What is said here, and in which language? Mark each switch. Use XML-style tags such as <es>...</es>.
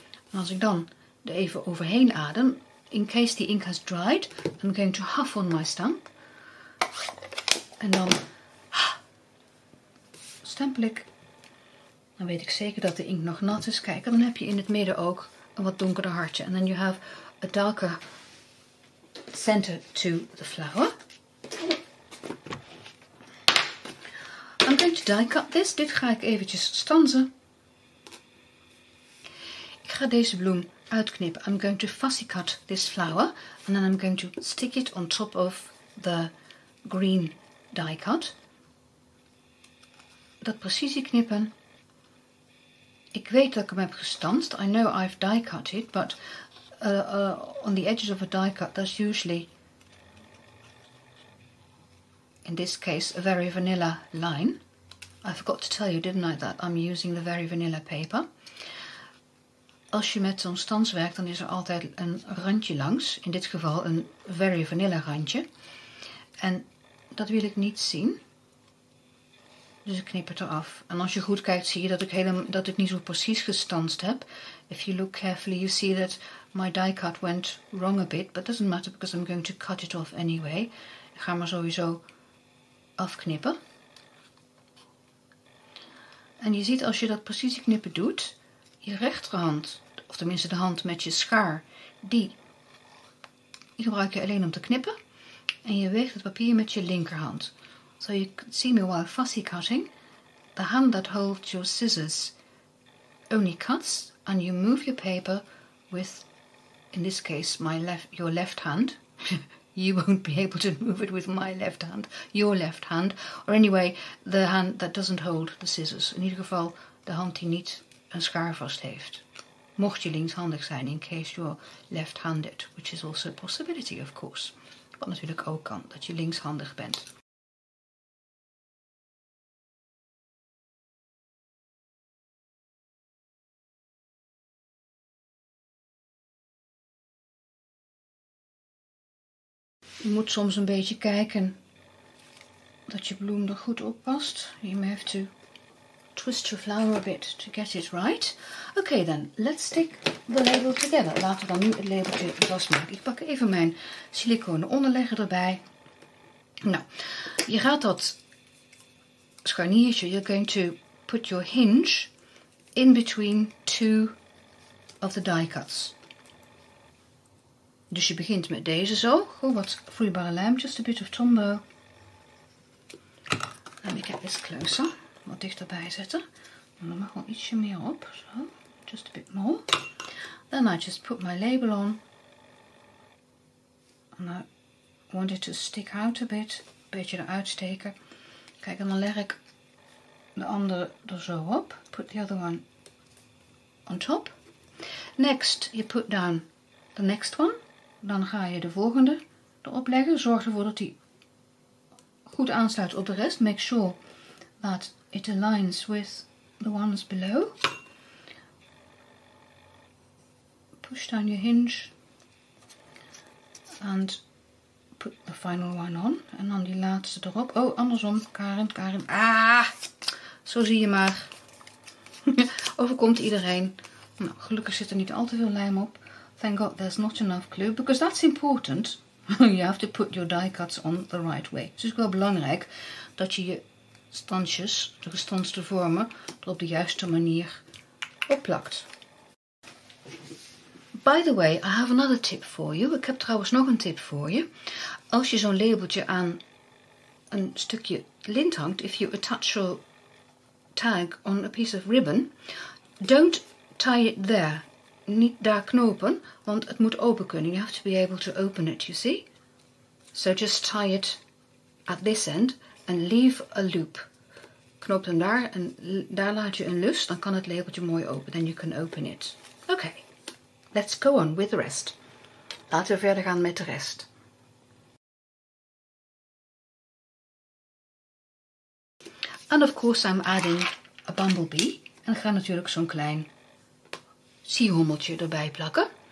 <nl>En als ik dan er even overheen adem,</nl> <en>in case the ink has dried, I'm going to huff on my stamp.</en> <nl>En dan stempel ik. Dan weet ik zeker dat de ink nog nat is. Kijk, en dan heb je in het midden ook een wat donkerder hartje.</nl> <en>And then you have a darker center to the flower. I'm going to die cut this.</en> <nl>Dit ga ik eventjes stansen. Ik ga deze bloem uitknip.</nl> <en>I'm going to fussy cut this flower and then I'm going to stick it on top of the green die cut.</en> <nl>Dat precisie knippen. Ik weet dat ik hem heb gestanst.</nl> <en>I know I've die cut it, but on the edges of a die cut, that's usually, in this case, a very vanilla line. I forgot to tell you, didn't I, that I'm using the very vanilla paper.</en> <nl>Als je met zo'n stans werkt, dan is er altijd een randje langs. In dit geval een very vanilla randje. En dat wil ik niet zien. Dus ik knip het eraf. En als je goed kijkt, zie je dat ik ik niet zo precies gestanst heb.</nl> <en>If you look carefully, you see that my die cut went wrong a bit. But doesn't matter, because I'm going to cut it off anyway.</en> <nl>Ik ga maar sowieso afknippen. En je ziet, als je dat precies knippen doet, je rechterhand, of tenminste de hand met je schaar, die gebruik je alleen om te knippen. En je weegt het papier met je linkerhand.</nl> <en>So you can see me while fussy cutting. The hand that holds your scissors only cuts, and you move your paper with, in this case, your left hand. You won't be able to move it with my left hand, your left hand, or anyway, the hand that doesn't hold the scissors.</en> <nl>In ieder geval, de hand die niet een schaar vast heeft. Mocht je linkshandig zijn,</nl> <en>in case you're left-handed, which is also a possibility, of course.</en> <nl>Wat natuurlijk ook kan, dat je linkshandig bent. Je moet soms een beetje kijken dat je bloem er goed op past.</nl> <en>You may have to twist your flower a bit to get it right. Okay then, let's stick the label together.</en> <nl>Laten we dan nu het labeltje vastmaken. Ik pak even mijn siliconen onderlegger erbij. Nou, je gaat dat scharniertje,</nl> <en>you're going to put your hinge in between two of the die cuts.</en> <nl>Dus je begint met deze zo. Gewoon wat vloeibare lijm.</nl> <en>Just a bit of Tombow. Let me get this closer.</en> <nl>Wat dichterbij zetten. Dan mag gewoon ietsje meer op.</nl> <en>Zo. Just a bit more. Then I just put my label on. And I want it to stick out a bit.</en> <nl>Een beetje eruit steken. Kijk, en dan leg ik de andere er zo op.</nl> <en>Put the other one on top. Next, you put down the next one.</en> <nl>Dan ga je de volgende erop leggen. Zorg ervoor dat die goed aansluit op de rest.</nl> <en>Make sure that it aligns with the ones below. Push down your hinge. And put the final one on.</en> <nl>En dan die laatste erop. Oh, andersom. Karin. Ah, zo zie je maar. Overkomt iedereen. Nou, gelukkig zit er niet al te veel lijm op.</nl> <en>Thank God there's not enough glue, because that's important. You have to put your die cuts on the right way.</en> <nl>Het is wel belangrijk dat je je stansjes, de gestanste vormen, er op de juiste manier opplakt.</nl> <en>By the way, I have another tip for you.</en> <nl>Ik heb trouwens nog een tip voor je. Als je zo'n labeltje aan een stukje lint hangt,</nl> <en>if you attach your tag on a piece of ribbon, don't tie it there.</en> <nl>Niet daar knopen, want het moet open kunnen.</nl> <en>You have to be able to open it, you see? So just tie it at this end and leave a loop.</en> <nl>Knoop dan daar en daar laat je een lus. Dan kan het labeltje mooi open.</nl> <en>Then you can open it. Okay, let's go on with the rest.</en> <nl>Laten we verder gaan met de rest.</nl> <en>And of course I'm adding a bumblebee.</en> <nl>En ik ga natuurlijk zo'n klein ziehommeltje erbij plakken.</nl>